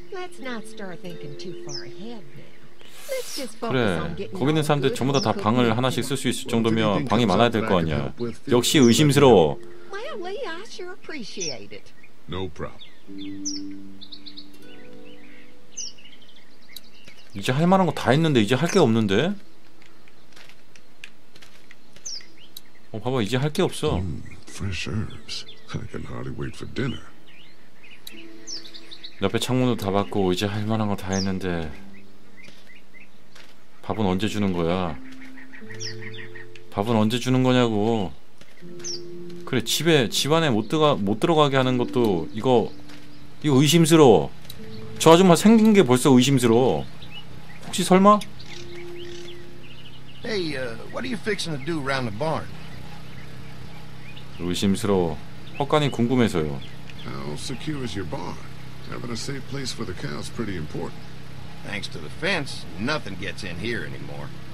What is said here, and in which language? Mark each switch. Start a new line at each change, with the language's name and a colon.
English: Let's not start thinking too far ahead now. Let's just focus on getting.
Korean: 그래. 거기 있는 사람들 전부 다 방을 하나씩 쓸 수 있을 정도면 방이 많아야 될 거 아니야. 역시 의심스러워.
English: Well, Lee, I sure appreciate it. No problem.
Korean: 이제 할 만한 거 다 했는데 이제 할 게 없는데. 봐봐. 이제 할 게 없어.
English: Fresh herbs. I can hardly wait for dinner.
Korean: 옆에 창문도 다 봤고 이제 할 만한 거 다 했는데 밥은 언제 주는 거야? 밥은 언제 주는 거냐고. 그래 집에 집안에 못 들어가게 하는 것도 이거 의심스러워. 저 아줌마 생긴 게 벌써 의심스러워. 혹시 설마?
English: Hey, what are you fixing to do around the barn?
Korean: 의심스러워. 헛간이 궁금해서요.
English: How secure is your barn? Having a safe place for the cows pretty important. Thanks to the fence, nothing gets in here anymore.